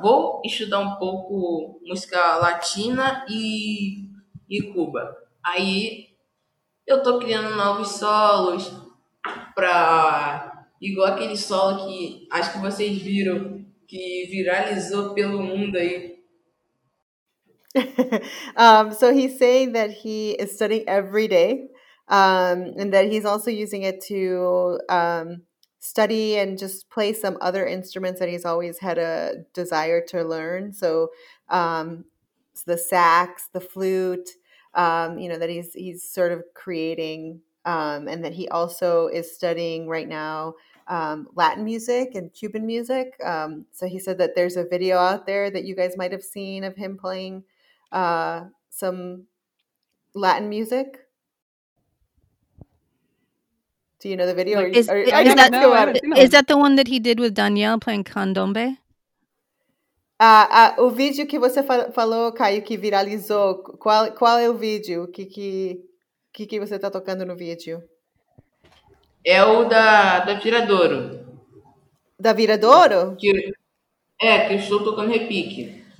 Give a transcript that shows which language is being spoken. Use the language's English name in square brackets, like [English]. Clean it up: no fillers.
[Portuguese] Vou estudar um pouco música latina e Cuba. Aí eu estou criando novos solos para. Igual aquele solo que acho que vocês viram, que viralizou pelo mundo aí. [English] So he's saying that he is studying every day. And that he's also using it to study and just play some other instruments that he's always had a desire to learn. So the sax, the flute, that he's sort of creating, and that he also is studying right now Latin music and Cuban music. So he said that there's a video out there that you guys might have seen of him playing some Latin music. Do you know the video? Is that the one that he did with Danielle playing candombe? [Portuguese] O vídeo que você falou, Caio, que viralizou, qual é o vídeo? O que você está tocando no vídeo? É o da Viradouro. Da Viradouro? Que eu estou tocando repique.